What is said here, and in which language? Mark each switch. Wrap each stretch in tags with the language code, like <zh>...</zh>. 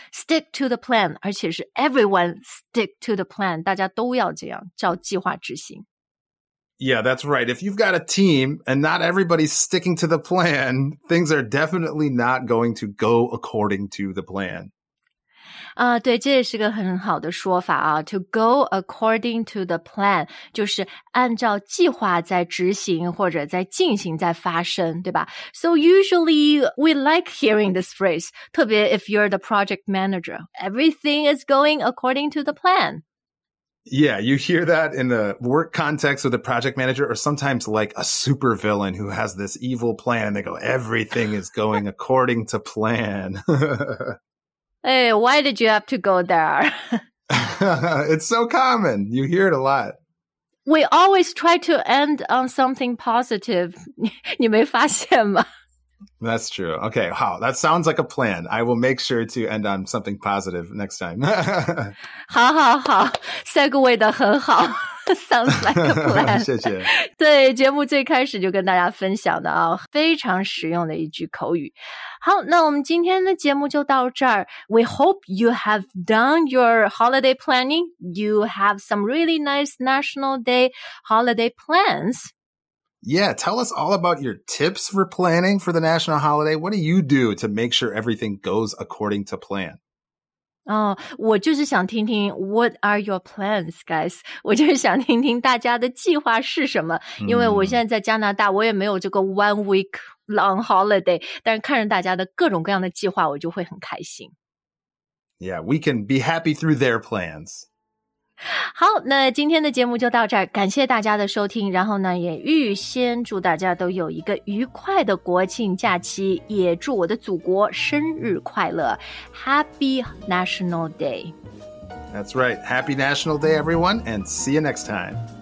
<en>Stick to the plan,</en> <zh>而且是</zh> <en>everyone stick to the plan,</en> <zh>大家都要这样，叫计划执行。</zh> <en>Yeah, that's right. If you've got a team and not everybody's sticking to the plan, things are definitely not going to go according to the plan.</en> <zh>对，这也是个很好的说法啊。</zh> <en>To go according to the plan,</en> <zh>就是按照计划在执行或者在进行在发生，对吧？</zh> <en>So usually we like hearing this phrase,</en> <zh>特别</zh> <en>if you're the project manager. Everything is going according to the plan. Yeah, you hear that in the work context with a project manager or sometimes like a supervillain who has this evil plan and they go, everything is going according to plan. Hey, why did you have to go there? It's so common. You hear it a lot. We always try to end on something positive.</en> <zh>你没发现吗?</zh> <en>That's true. Okay, wow, that sounds like a plan. I will make sure to end on something positive next time.</en> <zh>好好好 ,segue 的很好 ,</zh> <en>sounds like a plan.</en> <zh>谢谢。对，节目最开始就跟大家分享的啊，非常实用的一句口语。好，那我们今天的节目就到这儿。</zh> <en>We hope you have done your holiday planning. You have some really nice National Day holiday plans. Yeah, tell us all about your tips for planning for the national holiday. What do you do to make sure everything goes according to plan? Oh,</en> <zh>我就是想听听</zh> <en>what are your plans, guys?</en> <zh>我就是想听听大家的计划是什么。因为我现在在加拿大，我也没有这个</zh> <en>one week long holiday,</en> <zh>但是看着大家的各种各样的计划，我就会很开心。</zh> <en>Yeah, we can be happy through their plans.</en> <zh>好，那今天的节目就到这儿，感谢大家的收听，然后呢也预先祝大家都有一个愉快的国庆假期，也祝我的祖国生日快乐。</zh> <en>Happy National Day. That's right. Happy National Day, everyone, and see you next time.</en>